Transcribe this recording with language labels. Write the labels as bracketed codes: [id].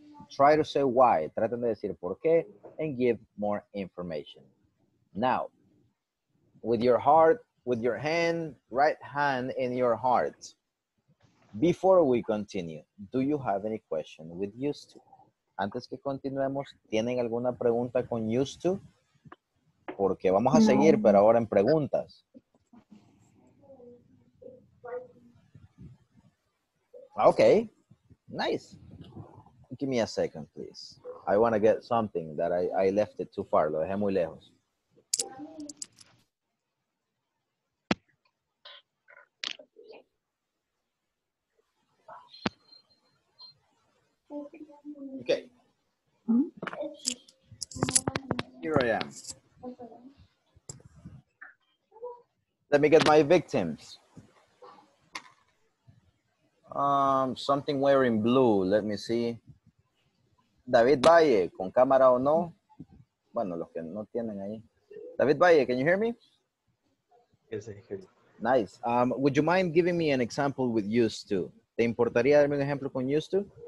[en] Try to say why, [es] traten de decir por qué, [en] and give more information. Now, with your heart, with your hand, right hand in your heart, before we continue, do you have any question with used to? [es] Antes que continuemos, ¿tienen alguna pregunta con used to? Porque vamos a seguir, pero ahora en preguntas. [en] Okay, nice. Give me a second, please. I want to get something that I left it too far. [es] Lo dejé muy lejos. [en] Okay. Here I am. Let me get my victims. Something wearing blue. Let me see. David Valle, [es] con cámara o no. Bueno, los que no tienen ahí. David Valle, [en] can you hear me? Yes, I hear you. Nice. Would you mind giving me an example with used to? [es] ¿Te importaría darme un ejemplo con used to?